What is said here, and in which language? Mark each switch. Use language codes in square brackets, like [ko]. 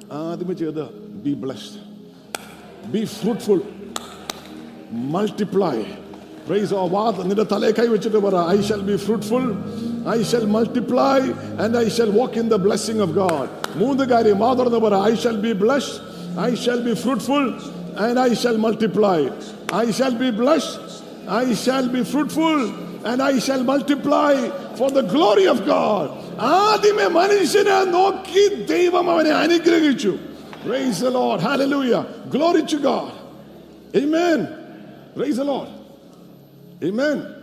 [ml] ആദ്യമേ ചെയ്ത് [en] Be blessed, be fruitful, multiply. Praise of വാദ്, [ml] നിന്റെ തലയെ കൈവച്ചിട്ട് പറ, [en] I shall be fruitful, I shall multiply and I shall walk in the blessing of God. [ml] മൂന്ന് കാര്യം മാത്രം പറ, [en] I shall be blessed, I shall be fruitful and I shall multiply. I shall be blessed, I shall be fruitful and I shall multiply for the glory of God. [ml] ആദിമേ മനുഷ്യനെ നോക്കി ദൈവം അവനെ അനുഗ്രഹിച്ചു. [en] Praise the Lord. Hallelujah. Glory to God. Amen. Praise the Lord. Amen.